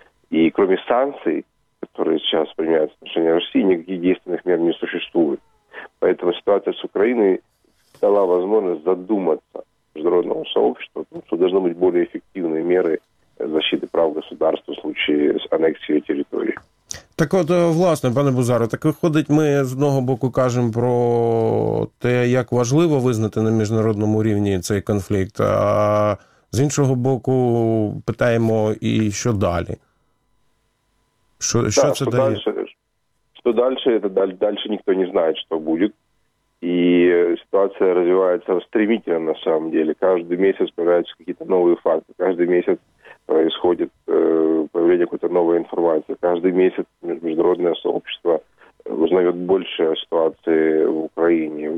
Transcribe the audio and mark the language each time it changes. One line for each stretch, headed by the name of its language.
Russian: И кроме санкций, которые сейчас применяются в отношении России, никаких действенных мер не существует. Поэтому ситуация с Украиной дала возможность задуматься международному сообществу, что должны быть более эффективные меры защиты прав государства в случае аннексии территории.
Ukrainian: Так от, власне, пане Бузаро, так виходить, ми з одного боку кажемо про те, як важливо визнати на міжнародному рівні цей конфлікт, а з іншого боку питаємо, і що далі? Що, так, що це дає? Що далі, то далі ніхто не знає, що буде.
Russian: И ситуация развивается стремительно, на самом деле. Каждый месяц появляются какие-то новые факты. Каждый месяц происходит появление какой-то новой информации. Каждый месяц международное сообщество узнает больше о ситуации в Украине.